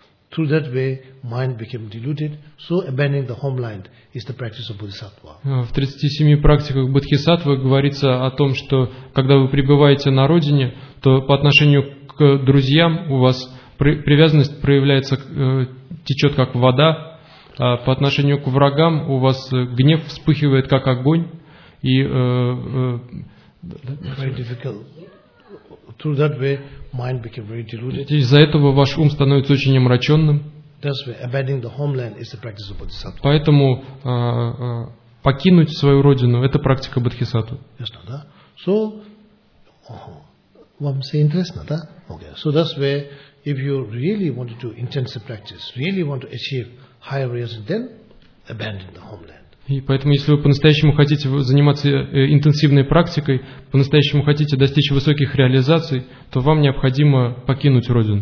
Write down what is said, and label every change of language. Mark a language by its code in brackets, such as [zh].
[en] Through that way, mind became diluted. So, abandoning the homeland is the practice of Bodhisattva. [ru] В 37 практиках Бодхисаттвы говорится о том, что когда вы пребываете на родине, то по отношению к друзьям у вас привязанность проявляется, течет как вода. А по отношению к врагам у вас гнев вспыхивает как огонь. И [en] very difficult. Through that way, mind became very deluded. [ru] Из-за этого ваш ум становится очень омраченным. [en] That's why abandoning the homeland is the practice of Bodhisattva. [ru] Поэтому покинуть свою родину – это практика Бодхисаттвы. Ясно, да? So, вам все интересно, да? Okay. [en] So that's where, if you really want to do intensive practice, really want to achieve higher reason, then abandon the homeland. [ru] И поэтому, если вы по-настоящему хотите заниматься интенсивной практикой, по-настоящему хотите достичь высоких реализаций, то вам необходимо покинуть родину.